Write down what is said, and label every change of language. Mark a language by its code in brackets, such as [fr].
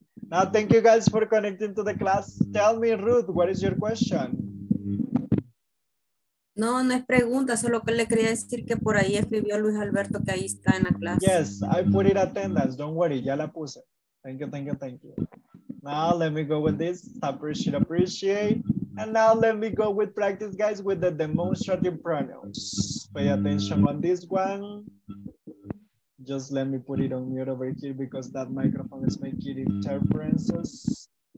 [en] Now, thank you guys for connecting to the class. Tell me, Ruth, what is your question? [es] No, no es pregunta, solo que le quería decir que por ahí escribió Luis Alberto que ahí está en la clase. [en] Yes, I put it attendance, don't worry, [es] ya la puse. [en] Thank you. Now let me go with this, appreciate. And now let me go with practice, guys, with the demonstrative pronouns. Pay attention on this one. Just let me put it on mute over here because that microphone is making interferences.